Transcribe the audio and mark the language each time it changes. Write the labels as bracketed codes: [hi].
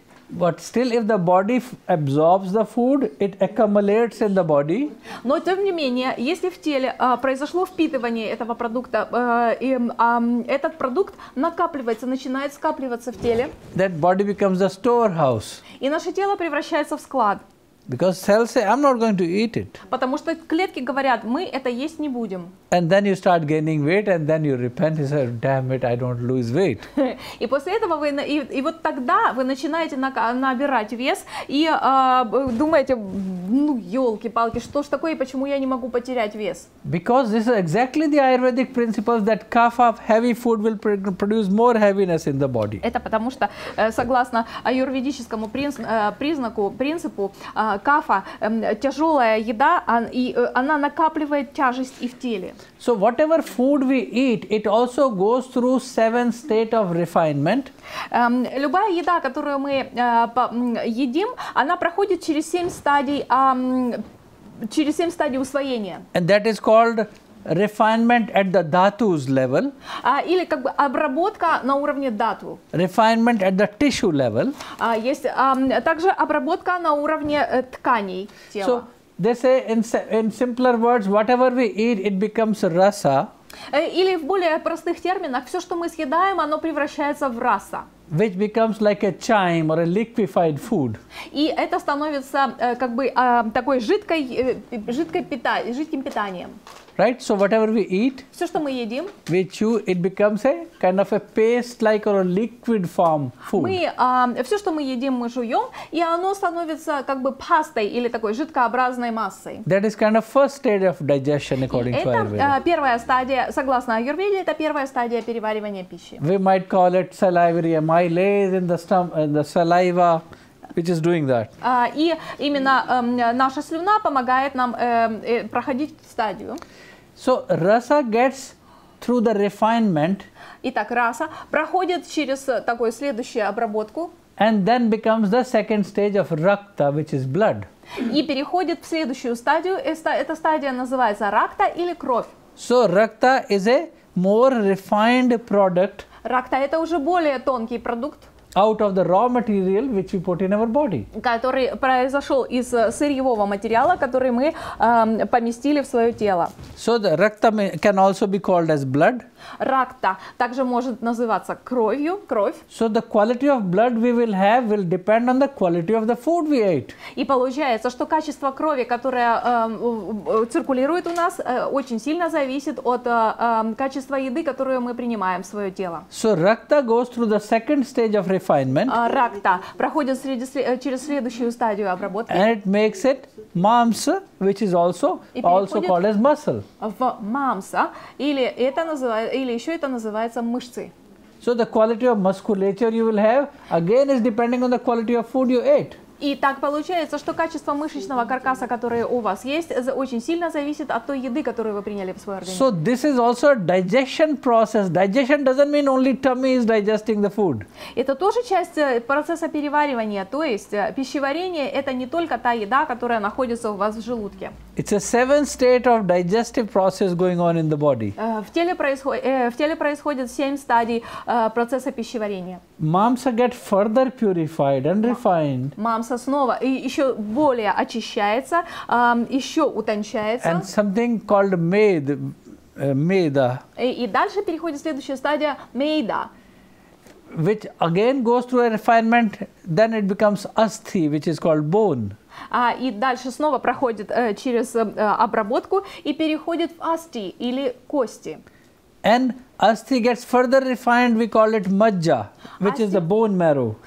[en] But still, if the body absorbs the food, it accumulates in the body. [ru] Но тем не менее, если в теле произошло впитывание этого продукта, этот продукт накапливается, начинает скапливаться в теле. [en] That body becomes a storehouse. [ru] И наше тело превращается в склад. [en] Because cells say, I'm not going to eat it. [ru] Потому что клетки говорят, мы это есть не будем. [en] And then you start gaining weight, and then you repent and say, damn it, I don't lose weight. [ru] И после этого вы и вот тогда вы начинаете набирать вес и думаете, ну ёлки-палки, что ж такое, почему я не могу потерять вес? [en] Because this is exactly the Ayurvedic principles that cough up heavy food will produce more heaviness in the body. [ru] Это потому что согласно аюрведическому принципу кафа, тяжелая еда, и она накапливает тяжесть и в теле. [en] So whatever food we eat, it also goes through seven state of refinement. [ru] Любая еда, которую мы едим, она проходит через семь стадий усвоения. [en] And that is called refinement at the dhatus level. [ru] Или как бы обработка на уровне дату. [en] Refinement at the tissue level. [ru] Есть также обработка на уровне тканей тела. [en] So they say in simpler words, whatever we eat, it becomes rasa. [ru] Или в более простых терминах, все, что мы съедаем, оно превращается в раса. [en] Which becomes like a chyme or a liquefied food. [ru] И это становится как бы такой жидким питанием. [en] Right, so whatever we eat, [ru] все, что мы едим, [en] we chew, it becomes a kind of a paste-like or a liquid form food. [ru] Мы все, что мы едим, мы жуем, и оно становится как бы пастой или такой жидкообразной массой. [en] That is kind of first stage of digestion, according to Ayurveda. [ru] Это первая стадия, согласно Аюрведе, это первая стадия переваривания пищи. [en] We might call it salivary amylase in the stomach, in the saliva. Which is doing that. [ru] И именно наша слюна помогает нам проходить стадию. [en] So rasa gets through the refinement. [ru] Итак, раса проходит через такую следующую обработку. [en] And then becomes the second stage of rakta, which is blood. [ru] И переходит в следующую стадию. Эта стадия называется ракта или кровь. [en] So rakta is a more refined product. [ru] Ракта это уже более тонкий продукт. [en] Out of the raw material which we put in our body. [ru] Который произошел из сырьевого материала, который мы поместили в свое тело. [en] So the rakta can also be called as blood. [ru] Ракта также может называться кровью, кровь. [en] So the quality of blood we will have will depend on the quality of the food we ate. [ru] И получается, что качество крови, которое циркулирует у нас, очень сильно зависит от качества еды, которую мы принимаем в свое тело. [en] So rakta goes through the second stage of refinement. [ru] Ракта проходит через следующую стадию обработки. [en] And it makes it mamsa, which is also called as muscle. [ru] В мамса, или это называется или еще это называется мышцы. [en] So the quality of musculature you will have again is depending on the quality of food you ate. [ru] И так получается, что качество мышечного каркаса, который у вас есть, очень сильно зависит от той еды, которую вы приняли в свой организм. [en] So this is also a digestion process. Digestion doesn't mean only tummy is digesting the food. [ru] Это тоже часть процесса переваривания, то есть пищеварение это не только та еда, которая находится у вас в желудке. [en] It's a seventh state of digestive process going on in the body. [ru] В теле происходит семь стадий процесса пищеварения. [en] Mamsa get further purified and refined. [ru] Мамса снова и еще более очищается, еще утончается. [en] And something called meda. [ru] И дальше переходит следующая стадия meda. [en] Which again goes through a refinement, then it becomes asthi, which is called bone. [ru] И дальше снова проходит через обработку и переходит в асти или кости. [en] And asti gets further refined, we call it majja, which asti is the bone marrow.